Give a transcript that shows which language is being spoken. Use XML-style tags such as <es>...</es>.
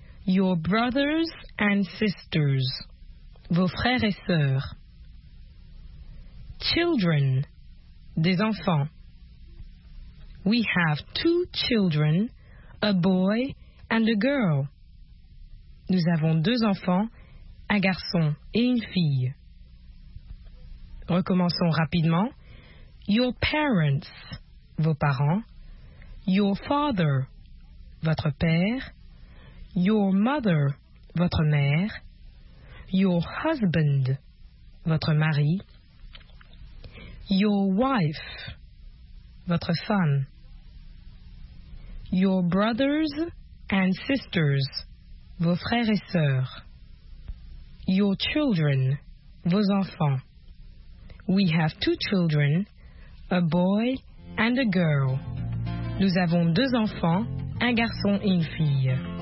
<en>Your brothers and sisters.</en> <fr>Vos frères et sœurs.</fr> <en>Children,</en> <fr>des enfants.</fr> <en>We have two children, a boy and a girl.</en> <fr>Nous avons deux enfants, un garçon et une fille. Recommençons rapidement.</fr> <en>Your parents,</en> <fr>vos parents.</fr> <en>Your father,</en> <fr>votre père.</fr> <en>Your mother,</en> <fr>votre mère.</fr> <en>Your husband,</en> <fr>votre mari.</fr> <en>Your wife,</en> <fr>votre femme.</fr> <en>Your brothers and sisters,</en> <fr>vos frères et sœurs.</fr> <en>Your children,</en> <fr>vos enfants.</fr> <en>We have two children, a boy and a girl.</en> <fr>Nous avons deux enfants, un garçon et une fille.</fr>